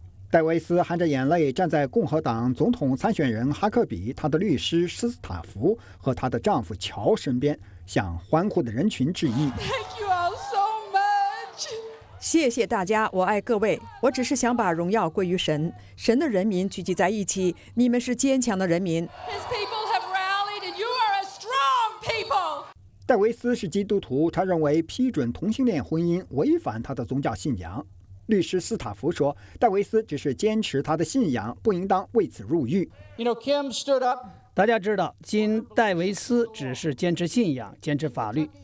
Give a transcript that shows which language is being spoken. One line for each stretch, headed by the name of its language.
Chinese: 戴维斯含着眼泪站在共和党总统参选人哈克比、他的律师斯斯塔福和他的丈夫乔身边，向欢呼的人群致意。
English: Thank you all so much.
Chinese: 谢谢大家，我爱各位。我只是想把荣耀归于神，神的人民聚集在一起，你们是坚强的人民。
English: His people have rallied and you are a strong people.
Chinese: 戴维斯是基督徒，他认为批准同性恋婚姻违反他的宗教信仰。律师斯塔福说，戴维斯只是坚持他的信仰，不应当为此入狱。大家知道，金·戴维斯只是坚持信仰，坚持法律。